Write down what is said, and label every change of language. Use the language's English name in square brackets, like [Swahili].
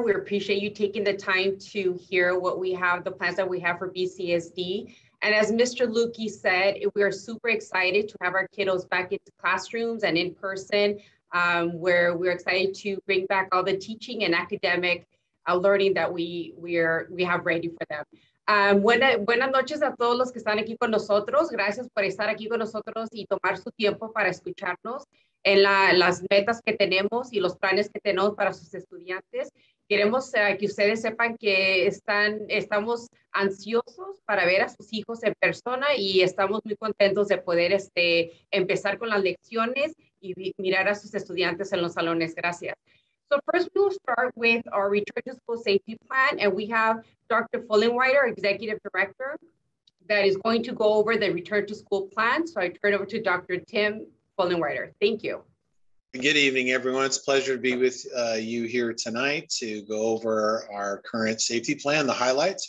[English] We appreciate you taking the time to hear what we have, the plans that we have for BCSD. And as Mr. Lukey said, we are super excited to have our kiddos back into classrooms and in person, where we're excited to bring back all the teaching and academic learning that we have ready for them. [Spanish] Buenas noches a todos los que están aquí con nosotros. Gracias por estar aquí con nosotros y tomar su tiempo para escucharnos en las metas que tenemos y los planes que tenemos para sus estudiantes. Queremos que ustedes sepan que estamos ansiosos para ver a sus hijos en persona y estamos muy contentos de poder empezar con las lecciones y mirar a sus estudiantes en los salones. Gracias. [English] So first we'll start with our Return to School Safety Plan, and we have Dr. Fullenweider, Executive Director, that is going to go over the Return to School Plan. So I turn over to Dr. Tim Fullenweider. Thank you. Good evening, everyone. It's a pleasure to be with you here tonight to go over our current safety plan, the highlights.